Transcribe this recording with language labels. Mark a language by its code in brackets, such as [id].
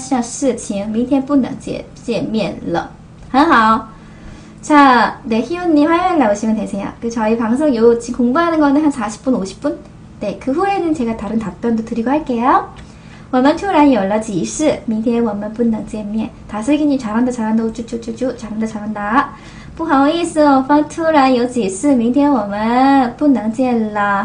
[zh] 实在不好意思，我方突然发现事情，明天不能见面了。很好. [ko] 자, 네, 희우님 화요일 나오시면 되세요. 그 저희 방송 요 지금 공부하는 거는 한 40분, 50분? 네, 그 후에는 제가 다른 답변도 드리고 할게요. [zh] 我们突然有了急事，明天我们不能见面。 [ko] 다슬기님 잘한다, 잘한다, 우쭈쭈쭈쭈, 잘한다, 잘한다. [zh] 不好意思，我方突然有急事，明天我们不能见了。